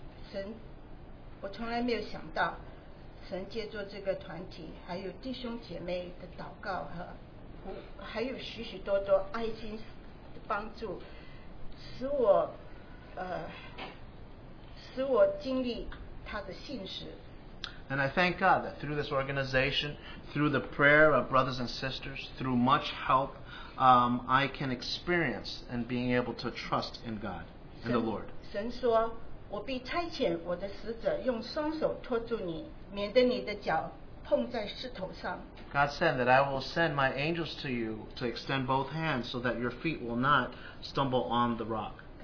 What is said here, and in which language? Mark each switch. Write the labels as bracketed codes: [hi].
[zh] 神，我从来没有想到，神借助这个团体，还有弟兄姐妹的祷告和还有许许多多爱心的帮助，使我经历他的信实。 [en] And I thank God that through this organization, through the prayer of brothers and sisters, through much help, I can experience and being able to trust in God and the Lord. [zh] 神说，我必差遣我的使者用双手托住你，免得你的脚。 [en] God said that I will send my angels to you to extend both hands so that your feet will not stumble on the rock.